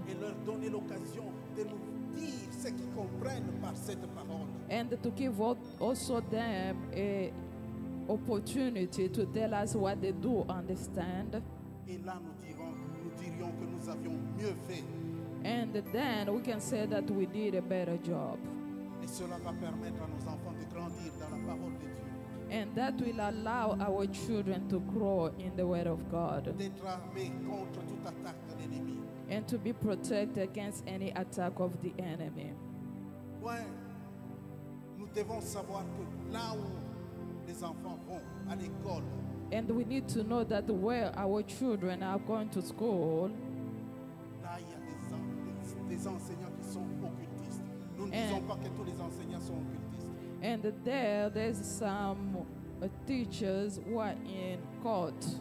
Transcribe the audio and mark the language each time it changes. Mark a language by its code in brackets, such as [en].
[fr] Et leur donner l'occasion de nous qui comprennent par cette parole. [en] And to give also them a opportunity to tell us what they do understand. [fr] Et là nous dirions que nous avions mieux fait. [en] And then we can say that we did a better job. [fr] Et cela va permettre à nos enfants de grandir dans la parole de Dieu. [en] And that will allow our children to grow in the word of God. [fr] D'être armé contre toute attaque de l'ennemi. [en] And to be protected against any attack of the enemy. [fr] Point. Nous devons savoir que là où les enfants vont à l'école. [en] And we need to know that where our children are going to school. [fr] Là, il y a des enseignants qui sont occultistes. Nous ne disons pas que tous les enseignants sont occultistes. [en] And there's some teachers who are in cult.